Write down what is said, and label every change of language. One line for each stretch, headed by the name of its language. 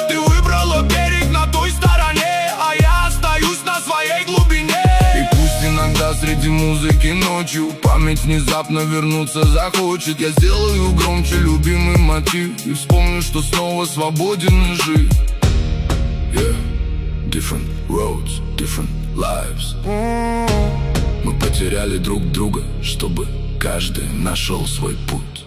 Russian: Ты выбрала берег на той стороне, а я остаюсь на своей глубине. Иногда среди музыки ночью память внезапно вернуться захочет. Я сделаю громче любимый мотив и вспомню, что снова свободен и жив.
English: Yeah, different roads, different lives.
Russian: Мы потеряли друг друга, чтобы каждый нашел свой путь.